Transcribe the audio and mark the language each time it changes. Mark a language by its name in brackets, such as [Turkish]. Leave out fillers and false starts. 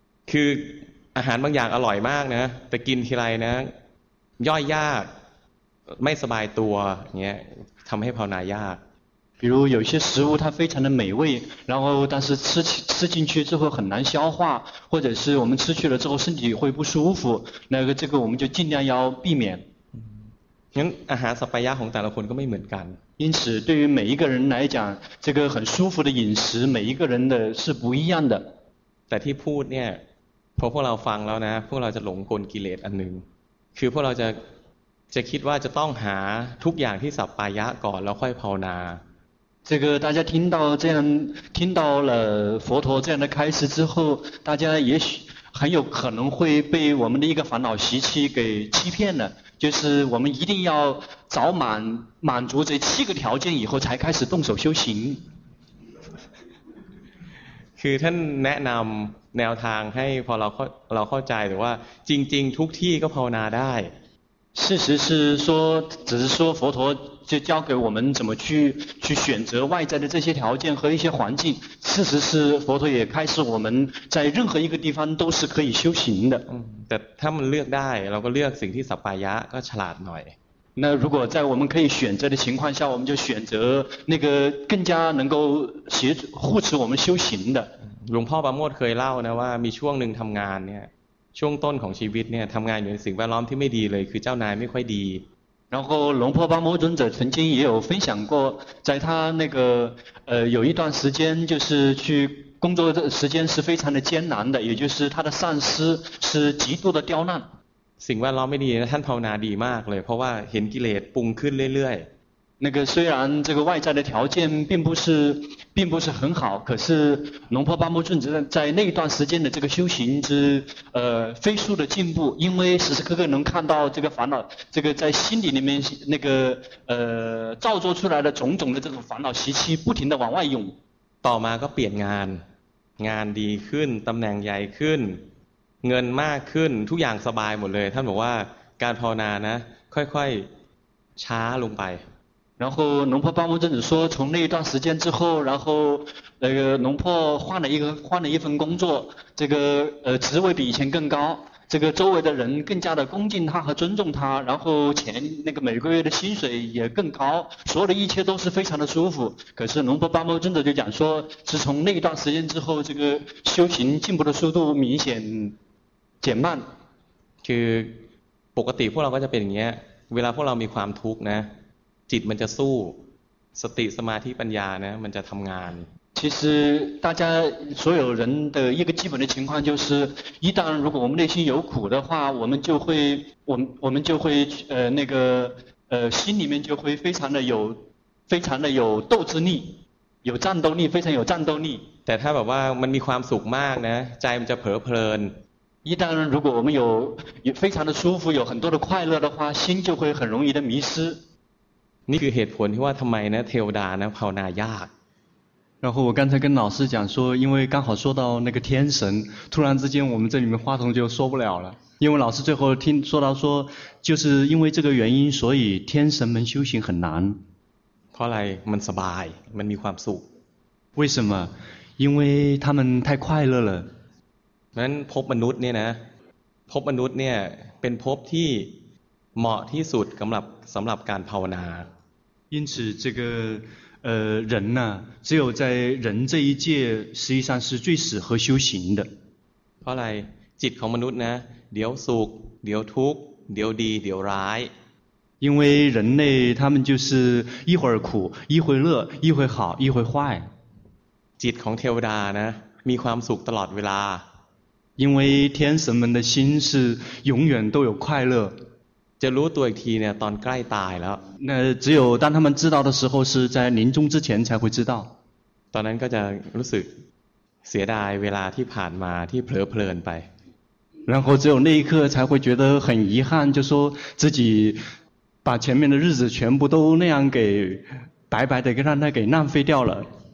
[Thai] คืออาหารบางอย่างอร่อยมากนะแต่กินทีไรนะย่อยยากไม่สบายตัวเงี้ยทำให้ภาวนายาก [Chinese] 比如有些食物它非常的美味然后但是吃进去之后很难消化或者是我们吃去了之后身体会不舒服那个这个我们就尽量要避免 [Thai] งั้นอาหารสัปปายะของแต่ละคนก็ไม่เหมือนกัน [Chinese] 因此对于每一个人来讲这个很舒服的饮食每一个人的是不一样的 [Thai] แต่ที่พูดเนี่ยพอพวกเราฟังแล้วนะพวกเราจะหลงกลกิเลสอันหนึ่งคือพวกเราจะคิดว่าจะต้องหาทุกอย่างที่สัปปายะก่อนแล้วค่อยภาวนา [Chinese] 这个大家听到这样听到了佛陀这样的开示之后大家也许很有可能会被我们的一个烦恼习气给欺骗了就是我们一定要找满足这七个条件以后才开始动手修行 [Thai] คือท่านแนะนำแนวทางให้พอเราเข้าใจหรือว่าจริงๆทุกที่ก็ภาวนาได้ [Chinese] 事实是说只是说佛陀就教给我们怎么去选择外在的这些条件和一些环境事实是佛陀也开示我们在任何一个地方都是可以修行的 [Thai] แต่ถ้ามันเลือกได้เราก็เลือกสิ่งที่สัปปายะก็ฉลาดหน่อย [Chinese] 那如果在我们可以选择的情况下我们就选择那个更加能够协助护持我们修行的 [Thai] หลวงพ่อประโมทเคยเล่านะว่ามีช่วงหนึ่งทำงานเนี่ยช่วงต้นของชีวิตเนี่ยทำงานอยู่ในสิ่งแวดล้อมที่ไม่ดีเลยคือเจ้านายไม่ค่อยดี [Chinese] 然后龙婆巴摩尊者曾经也有分享过在他那个有一段时间就是去工作的时间是非常的艰难的也就是他的上司是极度的刁难 [Thai] สิ่งแวดล้อมไม่ดีท่านภาวนาดีมากเลยเพราะว่าเห็นกิเลสปุ่งขึ้นเรื่อยๆ [Chinese] 那个虽然这个外在的条件并不是很好可是龙婆巴摩尊者在那一段时间的这个修行之飞速的进步因为时时刻刻能看到这个烦恼这个在心里面那个造作出来的种种的这种烦恼习气不停的往外涌 [Thai] ต่อมาก็เปลี่ยนงานดีขึ้นตำแหน่งใหญ่ขึ้นเงินมากขึ้นทุกอย่างสบายหมดเลยท่านบอกว่าการภาวนานะค่อยๆช้าลงไป [Chinese] 然后龙婆巴摩尊者说从那一段时间之后然后那个龙婆换了一份工作这个职位比以前更高这个周围的人更加的恭敬他和尊重他然后钱那个每个月的薪水也更高所有的一切都是非常的舒服可是龙婆巴摩尊者就讲说是从那一段时间之后这个修行进步的速度明显减慢 [Thai] คือปกติพวกเราก็จะเป็นอย่างเงี้ยเวลาพวกเรามีความทุกข์นะจิตมันจะสู้สติสมาธิปัญญานะมันจะทำงาน [Chinese] 其实大家所有人的一个基本的情况就是一旦如果我们内心有苦的话我们就会我们就会那个心里面就会非常的有斗志力有战斗力非常有战斗力 [Thai] แต่ถ้าแบบว่ามันมีความสุขมากนะใจมันจะเพลิน [Chinese] 一旦如果我们有非常的舒服有很多的快乐的话心就会很容易的迷失 [Thai] นี่คือเหตุผลที่ว่าทำไมนะเทวดานะภาวนายาก [Chinese] 然后我刚才跟老师讲说因为刚好说到那个天神突然之间我们这里面话筒就说不了了因为老师最后听说到说就是因为这个原因所以天神们修行很难 [Thai] เพราะอะไรมันสบายมันมีความสุข [Chinese] 为什么因为他们太快乐了 [Thai] นั้นภพมนุษย์เนี่ยนะภพมนุษย์เนี่ยเป็นภพที่เหมาะที่สุดสำหรับการภาวนา [Chinese] 因此这个人呢只有在人这一界实际上是最适合修行的 [Thai] เพราะอะไรจิตของมนุษย์นะเดี๋ยวสุขเดี๋ยวทุกข์เดี๋ยวดีเดี๋ยวร้าย [Chinese] 因为人类他们就是一会儿苦一会儿乐一会儿好一会儿坏 [Thai] จิตของเทวดานะมีความสุขตลอดเวลา [Chinese] 因为天神们的心是永远都有快乐 [Thai] จะรู้ตัวอีกทีเนี่ยตอนใกล้ตายแล้ว [Chinese] 那只有当他们知道的时候是在临终之前才会知道 [Thai] ตอนนั้นก็จะรู้สึกเสียดายเวลาที่ผ่านมาที่เผลอเพลินไป [Chinese] 然后只有那一刻才会觉得很遗憾，就说自己把前面的日子全部都那样给白白的给让他给浪费掉了。